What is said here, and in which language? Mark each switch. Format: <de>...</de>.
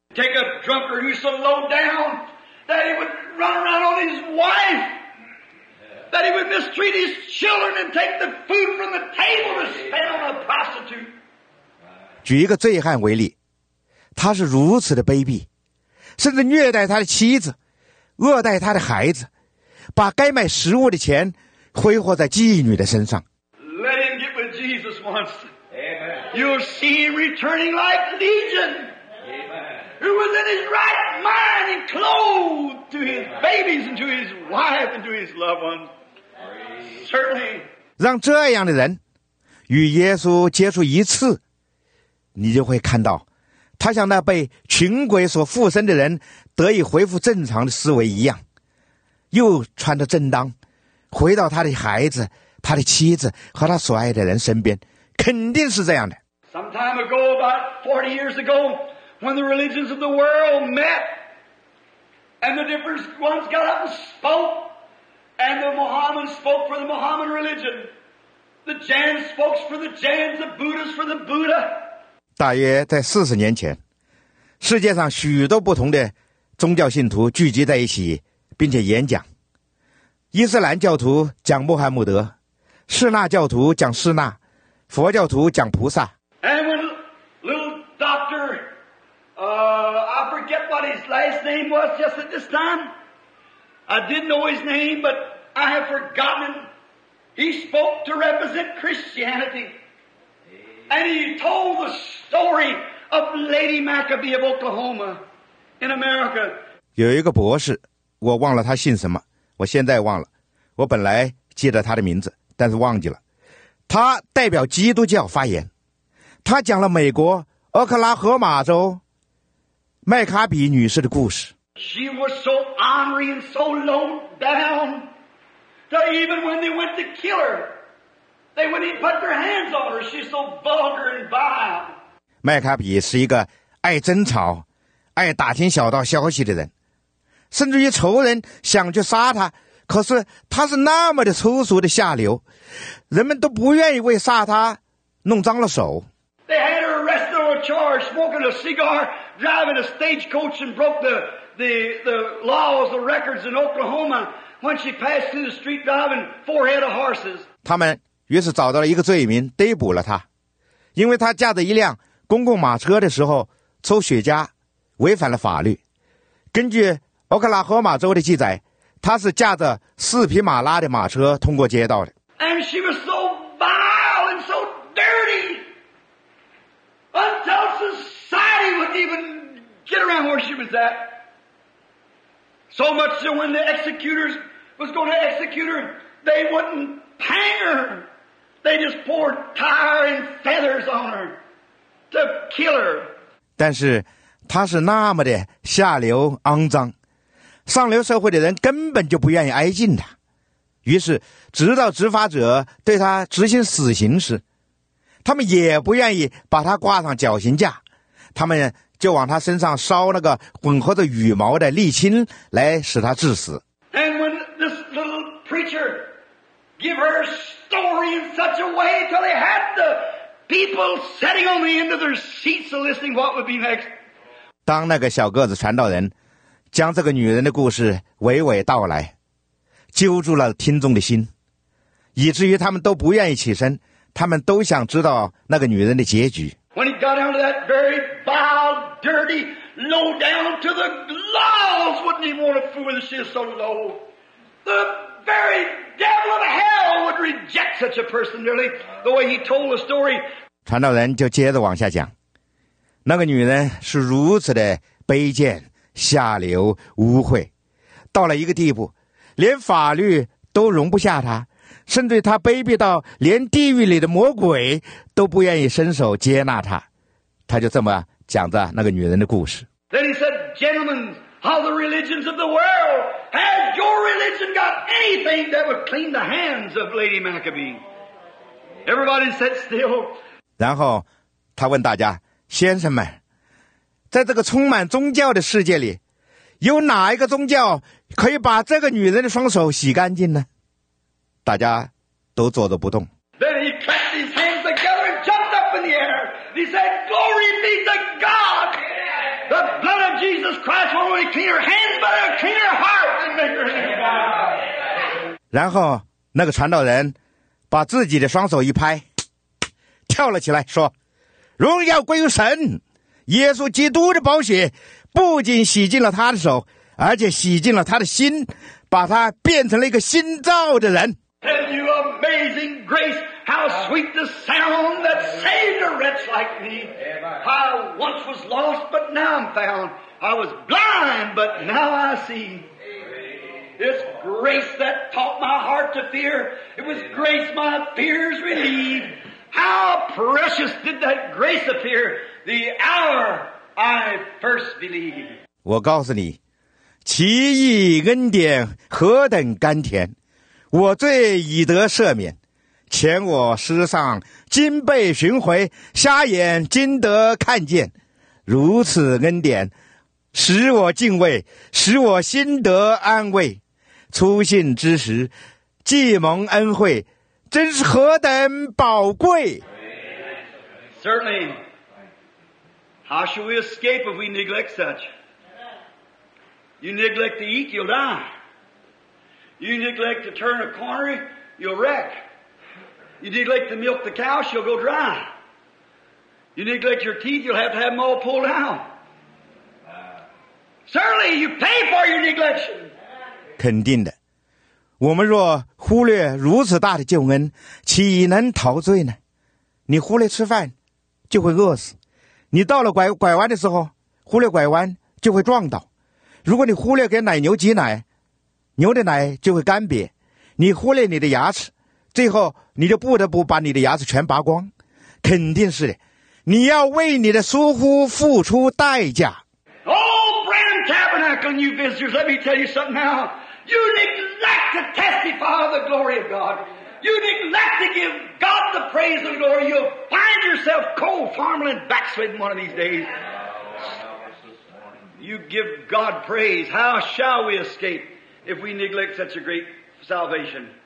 <en>Take a drunkard who's so low down that he would run around on his wife, that he would mistreat his children and take the food from the table to spend on a prostitute.</en> <zh>举一个醉汉为例，他是如此的卑鄙，甚至虐待他的妻子，恶待他的孩子，把该买食物的钱挥霍在妓女的身上。</zh> <en>Let him get with Jesus once. You'll see him returning like Legion, who was in his right mind and clothed to his babies and to his wife and to his loved ones. Certainly.</en> <zh>让这样的人与耶稣接触一次，你就会看到他像那被群鬼所附身的人得以恢复正常的思维一样，又穿着正当回到他的孩子、他的妻子和他所爱的人身边，肯定是这样的。</zh> <en>Some time ago, about 40 years ago, when the religions of the world met, and the different ones got up and spoke, and the Mohammedans spoke for the Mohammedan religion, the Jains spoke for the Jains, the Buddhists for the Buddha.</en> <zh>大约在40年前，世界上许多不同的宗教信徒聚集在一起，并且演讲。伊斯兰教徒讲穆罕默德，士那教徒讲士那，佛教徒讲菩萨。</zh> <en>And when little doctor, I forget what his last name was just at this time. I didn't know his name, but I have forgotten. He spoke to represent Christianity. And he told the story of Lady Maccabee of Oklahoma in America.</en> <zh>有一个博士，我忘了他姓什么，我现在忘了，我本来记得他的名字，但是忘记了。他代表基督教发言，他讲了美国俄克拉荷马州麦卡比女士的故事。</zh> <en>She was so angry and so low down that even when they went to kill her, they wouldn't even put their hands on her. She's so vulgar and vile.</en> <zh>麦卡比是一个爱争吵、爱打听小道消息的人，甚至于仇人想去杀他，可是他是那么的粗俗的下流，人们都不愿意为杀他弄脏了手。</zh> <en>They had her arrested on a charge, smoking a cigar, driving a stagecoach and broke the laws, the records in Oklahoma when she passed through the street driving four head of horses.</en> <zh>他们于是找到了一个罪名，逮捕了他，因为他驾着一辆公共马车的时候抽雪茄，违反了法律。根据俄克拉荷马州的记载，他是驾着四匹马拉的马车通过街道的。</zh> <en>And she was so vile and so dirty until society would even get around where she was at. So much that when the executors was going to execute her, they wouldn't hang her. They just poured tar and feathers on her to kill her.</en> <zh>但是他是那么的下流肮脏，上流社会的人根本就不愿意挨近他，于是直到执法者对他执行死刑时，他们也不愿意把他挂上绞刑架，他们就往他身上烧那个混合着羽毛的沥青来使他致死。</zh> <en>And when this little preacher gave her story in such a way till they had the people sitting on the end of their seats listening what would be next,</en> <zh>当那个小个子传道人将这个女人的故事娓娓道来，揪住了听众的心，以至于他们都不愿意起身，他们都想知道那个女人的结局。</zh> <en>When he got out of that very vile, dirty, low down to the laws, wouldn't even want to fool if she is so low. The very devil of hell would reject such a person, nearly, the way he told the story.</en> <zh>传道人就接着往下讲，那个女人是如此的卑贱下流污秽，到了一个地步连法律都容不下他，甚至他卑鄙到连地狱里的魔鬼都不愿意伸手接纳他。他就这么讲着那个女人的故事。</zh> <en>Then he said, gentlemen, how the religions of the world, has your religion got anything that would clean the hands of Lady Maccabee? Everybody sat still.</en> <zh>然后他问大家，先生们，在这个充满宗教的世界里，有哪一个宗教可以把这个女人的双手洗干净呢？大家都坐着不动。</zh> <en>Then he clapped his hands together and jumped up in the air. He said, glory be to God! The blood of Jesus Christ won't only clean your hands, but it'll clean your heart and make your hands white.</en> <zh>然后那个传道人把自己的双手一拍，跳了起来说，荣耀归于神，耶稣基督的宝血不仅洗净了他的手，而且洗净了他的心，把他变成了一个新造的人。</zh> <en>Tell you amazing grace, how sweet the sound that saved a wretch like me. I once was lost, but now I'm found. I was blind, but now I see. It's grace that taught my heart to fear. It was grace my fears relieved. How precious did that grace appear? The hour I first believed.</en> <zh>我告诉你，奇异恩典何等甘甜，我罪已得赦免，前我失丧，今被寻回，瞎眼今得看见，如此恩典使我敬畏，使我心得安慰，初信之时既蒙恩惠，真是何等宝贵。</zh> <en>Certainly. How shall we escape if we neglect such? You neglect to eat, you'll die. You neglect to turn a corner, you'll wreck. You neglect to milk the cow, she'll go dry. You neglect your teeth, you'll have to have them all pulled out. Surely you pay for your neglection.</en> <zh>肯定的，我们若忽略如此大的救恩，岂能陶醉呢？你忽略吃饭，就会饿死；你到了拐弯的时候，忽略拐弯就会撞倒。如果你忽略给奶牛挤奶，牛的奶就会干瘪；你忽略你的牙齿，最后你就不得不把你的牙齿全拔光。肯定是的，你要为你的疏忽付出代价。</zh> <en>Tabernacle, new visitors, let me tell you something now. You neglect to testify of the glory of God. You neglect to give God the praise and glory. You'll find yourself cold, farmland, backslidden one of these days. You give God praise. How shall we escape if we neglect such a great salvation?</en>